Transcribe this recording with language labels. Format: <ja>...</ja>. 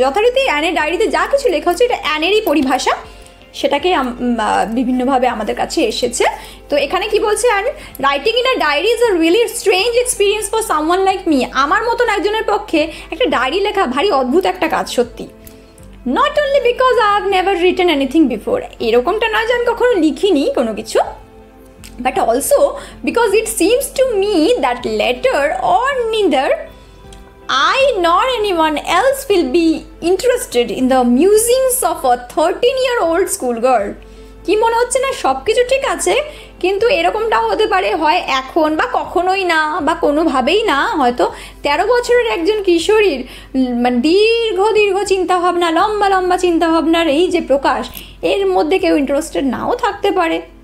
<bn>যথারীতি অ্যানের ডায়েরিতে যা কিছু লেখা হচ্ছে এটা অ্যানেরই পরিভাষা, সেটাকে বিভিন্নভাবে আমাদের কাছে এসেছে। তো এখানে কি বলছে an?</bn> <en>writing in a diary is a really strange experience for someone like me,</en> <bn>আমার মতন একজনের পক্ষে একটা ডায়েরি লেখা ভারী অদ্ভুত একটা কাজ সত্যি।</bn> <en>Not only because I have never written anything before,</en> <bn>erokomta na je ami kokhono likhini kono kichu,</bn> <en>but also because it seems to me that letter or neither I nor anyone else will be interested in the musings of a 13 year old school girl.</en> <bn>কি মনে হচ্ছে না, সব কিছু ঠিক আছে কিন্তু এরকমটা হতে পারে, হয় এখন বা কখনোই না বা কোনোভাবেই না, হয়তো 13 বছরের একজন কিশোরীর মানে দীর্ঘ দীর্ঘ চিন্তাভাবনা, লম্বা লম্বা চিন্তাভাবনার এই যে প্রকাশ, এর মধ্যে কেউ ইন্টারেস্টেড নাও থাকতে পারে।</bn>